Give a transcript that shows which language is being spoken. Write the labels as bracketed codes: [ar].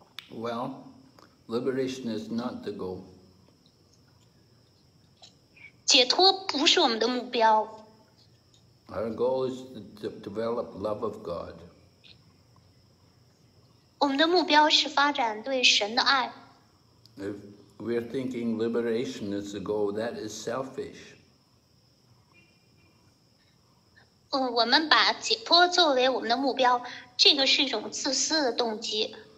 [en] Well, liberation is not the goal. [zh] 解脱不是我们的目标。 [en] Our goal is to develop love of God. [zh] 我们的目标是发展对神的爱。 [en] If we're thinking liberation is the goal, that is selfish. [zh] 我们把解脱作为我们的目标，这个是一种自私的动机。